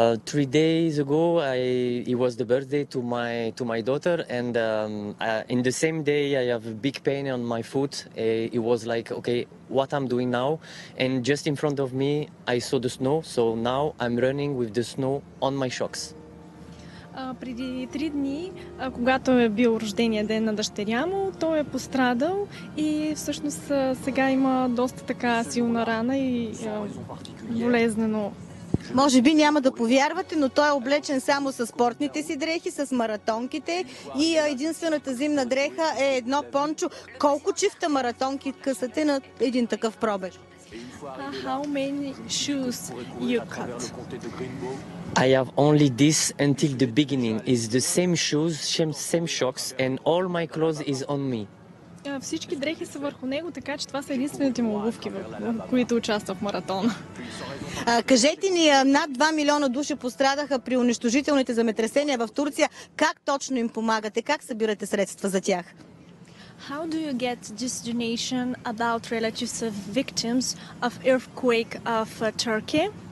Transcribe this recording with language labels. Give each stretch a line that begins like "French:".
English: Three days ago, it was the birthday to my daughter, and in the same day, I have a big pain on my foot. It was like, okay, what I'm doing now? And just in front of me, I saw the snow, so now I'm running with the snow on my shocks.
Bulgarian: Преди три дни, когато е бил рождения ден на дъщеря му, той е пострадал и всъщност сега има доста така силна рана и болезнено. Може би няма да повярвате, но той е облечен само със спортните си дрехи, с маратонките и единствената зимна дреха е едно пончо. Колко чифта маратонки късате на един такъв пробег?
English: How many shoes you cut? I have only this until the beginning. It's the same shoes, same shocks and all my clothes is on me.
Bulgarian: Всички дрехи са върху него, така че това са единствените му обувки, в които участва в маратона. Кажете ни, над 2 милиона души пострадаха при унищожителните земетресения в Турция. Как точно им помагате? Как събирате средства за тях?
English: How do you get this donation about relatives of victims of earthquake of Turkey?